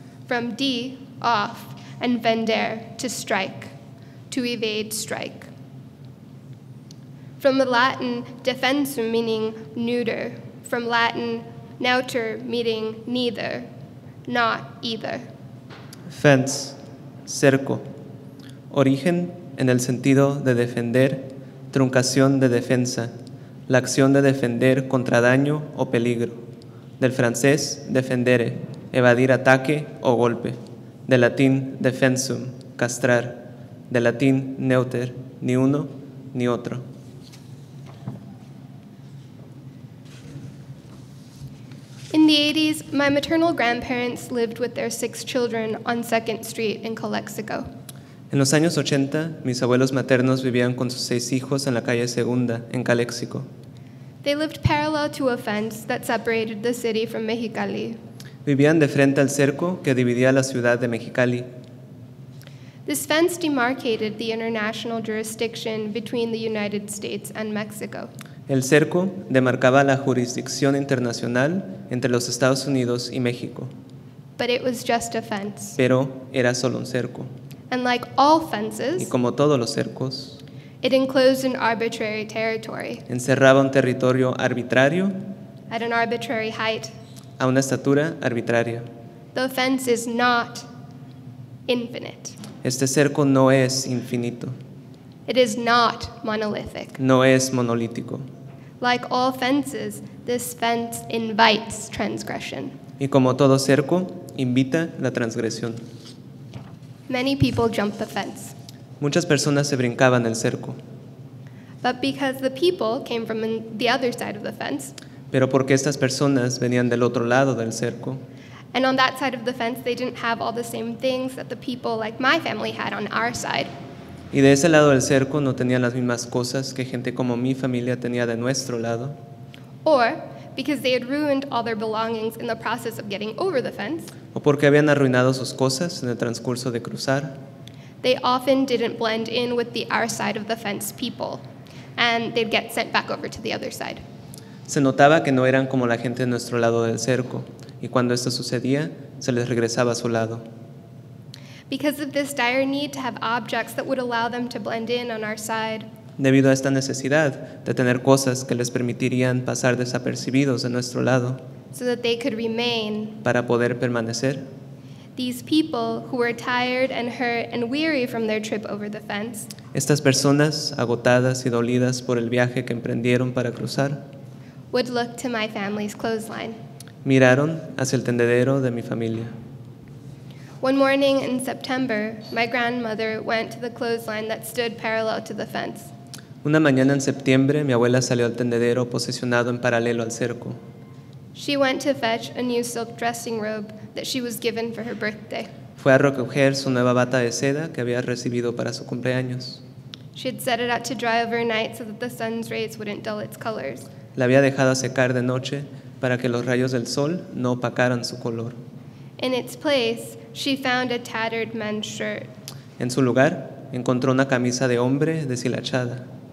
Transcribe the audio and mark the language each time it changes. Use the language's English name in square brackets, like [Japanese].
[English] From di, off, and vender, to strike, to evade strike. From the Latin, defensum, meaning neuter. From Latin, neuter, meaning neither, not either. Fence, cerco. [Spanish] Origen, en el sentido de defender, truncación de defensa. La acción de defender contra daño o peligro. Del francés, defendere, evadir ataque o golpe. Del latín, defensum, castrar. Del latín, neuter, ni uno ni otro. [English] In the 80s, my maternal grandparents lived with their six children on 2nd Street in Calexico. [Spanish] En los años 80, mis abuelos maternos vivían con sus seis hijos en la calle Segunda, en Calexico. [English] They lived parallel to a fence that separated the city from Mexicali. [Spanish] Vivían de frente al cerco que dividía la ciudad de Mexicali. [English] This fence demarcated the international jurisdiction between the United States and Mexico. [Spanish] El cerco demarcaba la jurisdicción internacional entre los Estados Unidos y México. [English] But it was just a fence. [Spanish] Pero era solo un cerco. [English] And like all fences, [Spanish] y como todos los cercos, [English] it enclosed an arbitrary territory. [Spanish] Encerraba un territorio arbitrario. [English] At an arbitrary height. [Spanish] A una estatura arbitraria. [English] The fence is not infinite. [Spanish] Este cerco no es infinito. [English] It is not monolithic. [Spanish] No es monolítico. [English] Like all fences, this fence invites transgression. [Spanish] Y como todo cerco, invita la transgresión. [English] Many people jump the fence. [Spanish] Muchas personas se brincaban el cerco. [English] But because the people came from the other side of the fence. [Spanish] Pero porque estas personas venían del otro lado del cerco. [English] And on that side of the fence, they didn't have all the same things that the people like my family had on our side. [Spanish] Y de ese lado del cerco no tenían las mismas cosas que gente como mi familia tenía de nuestro lado. [English] Or because they had ruined all their belongings in the process of getting over the fence. [Spanish] o porque habían arruinado sus cosas en el transcurso de cruzar. [English] They often didn't blend in with the our side of the fence people, and they'd get sent back over to the other side. [Spanish] Se notaba que no eran como la gente de nuestro lado del cerco, y cuando esto sucedía, se les regresaba a su lado. [English] Because of this dire need to have objects that would allow them to blend in on our side. [Spanish] Debido a esta necesidad de tener cosas que les permitirían pasar desapercibidos de nuestro lado. [English] So that they could remain. [Spanish] Para poder permanecer. [English] These people who were tired and hurt and weary from their trip over the fence. [Spanish] Estas personas agotadas y dolidas por el viaje que emprendieron para cruzar. [English] Would look to my family's clothesline. [Spanish] Miraron hacia el tendedero de mi familia. [English] One morning in September, my grandmother went to the clothesline that stood parallel to the fence. [Spanish] Una mañana en septiembre, mi abuela salió al tendedero posicionado en paralelo al cerco. [English] She went to fetch a new silk dressing robe that she was given for her birthday. [Spanish] Fue a recoger su nueva bata de seda que había recibido para su cumpleaños. [English] She had set it out to dry overnight so that the sun's rays wouldn't dull its colors. [Spanish] La había dejado secar de noche para que los rayos del sol no opacaran su color. [English] In its place, she found a tattered men's shirt. [Spanish] En su lugar, encontró una camisa de hombre deshilachada.